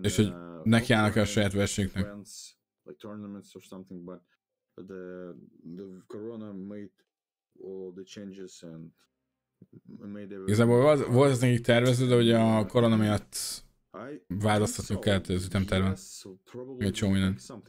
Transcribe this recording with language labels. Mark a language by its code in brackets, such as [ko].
[hu] És hogy nekiállnak-e a saját versenyüknek. [en] Like tournaments or something, but the corona made all the changes and made everything. [hu] Igazából volt ez nekik tervezve, de ugye a korona miatt választhatunk kellett az ütemterven. Egy csomó minden.